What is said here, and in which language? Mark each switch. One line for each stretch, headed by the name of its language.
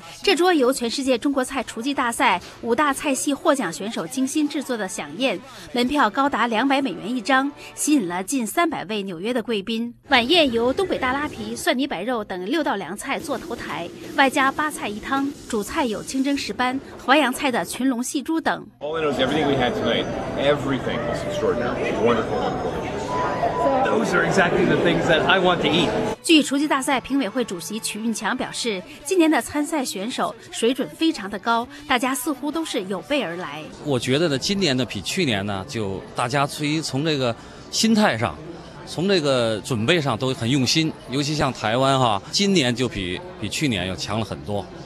Chinese: 这桌由全世界中国菜厨技大赛五大菜系获奖选手精心制作的飨宴，门票高达200美元一张，吸引了近300位纽约的贵宾。晚宴由东北大拉皮、蒜泥白肉等6道凉菜做头台，外加八菜一汤，主菜有清蒸石斑、淮扬菜的群龙戏珠等。
English: All in all, everything we had tonight, everything was extraordinary, wonderful, wonderful. Those are exactly the things that I want to eat.
Chinese: 据厨技大赛评委会主席曲运强表示，今年的参赛选手水准非常的高，大家似乎都是有备而来。我觉得呢，今年呢比去年呢，就大家从这个心态上，从这个准备上都很用心。尤其像台湾哈，今年就比去年要强了很多。